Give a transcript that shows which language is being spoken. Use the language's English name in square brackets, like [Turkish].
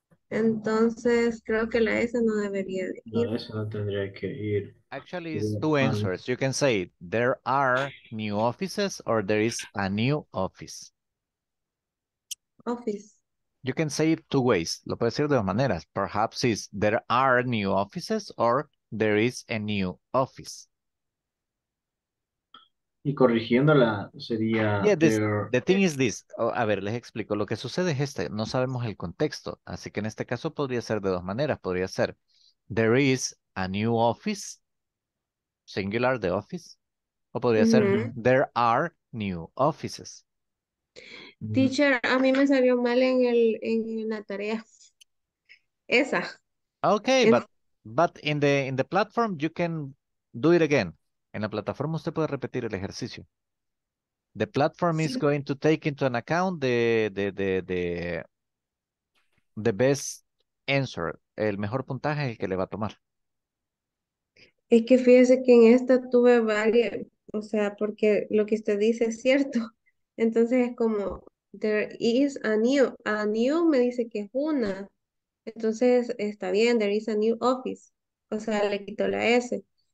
[Spanish] Entonces creo que la S no debería de ir. No, esa no tendría que ir. [English] Actually, it's two answers. You can say there are new offices or there is a new office. Office. You can say it two ways. [Spanish] Lo puedes decir de dos maneras. [English] Perhaps it's there are new offices or there is a new office. [Spanish] Y corrigiéndola sería... [English] Yeah, this, the thing is this. [Spanish] Oh, a ver, les explico. Lo que sucede es este. No sabemos el contexto. Así que en este caso podría ser de dos maneras. Podría ser, [English] there is a new office singular the office. [Spanish] O podría ser, [English] there are new offices. [Spanish] Teacher, a mí me salió mal en la tarea. Esa. [English] Okay, but in the platform you can do it again. [Spanish] En la plataforma usted puede repetir el ejercicio. [English] The platform is going to take into an account the best answer. [Spanish] El mejor puntaje es el que le va a tomar. Es que fíjese que en esta tuve varias, o sea, porque lo que usted dice es cierto. Entonces es como, [English] there is a new. [Spanish] A new me dice que es una. Entonces está bien, [English] there is a new office. [Spanish] O sea, le quito la S.